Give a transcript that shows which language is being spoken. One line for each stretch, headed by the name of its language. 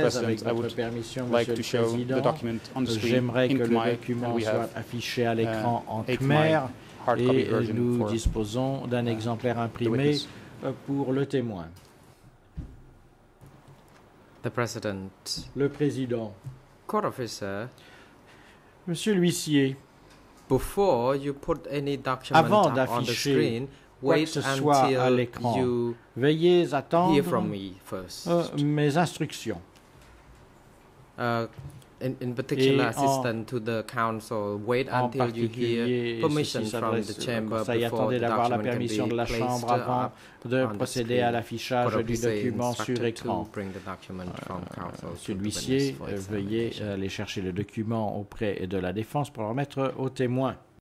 English: President, I would like to show the document on the screen in Khmer, and we have a Khmer hard copy version for the witness.
French: Nous disposons d'un exemplaire imprimé pour le témoin.
English: The President.
French: Le Président.
English: Court officer.
French: Monsieur l'huissier.
English: Before you put any document on the screen,
French: quoi que ce soit à l'écran, veuillez attendre mes instructions.
English: In particular, assistant to the council, wait until you hear permission from the chamber before the document can be placed up on the screen.
French: Ça y attendait d'avoir la permission de la chambre avant de procéder à l'affichage du document sur écran.
English: Bring the document from council
French: celui-ci, veuillez aller chercher le document auprès de la défense pour le remettre au témoin.